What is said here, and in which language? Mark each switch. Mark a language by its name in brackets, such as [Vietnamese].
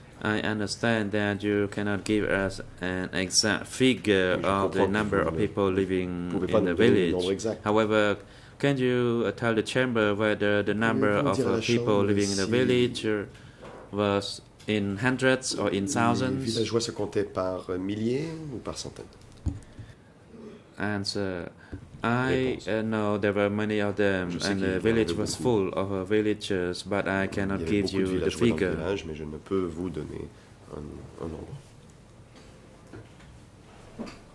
[English] I understand that you cannot give us an exact figure of the number of people living in the village. However, can you tell the chamber whether the number of people living in the village was in hundreds or in thousands? [French] Les villageois se comptaient par milliers ou par centaines? [English] Answer. No, there were many of them, and the village was full of villagers, but I cannot give you the figure. [French] Village, mais je ne peux vous donner un nombre.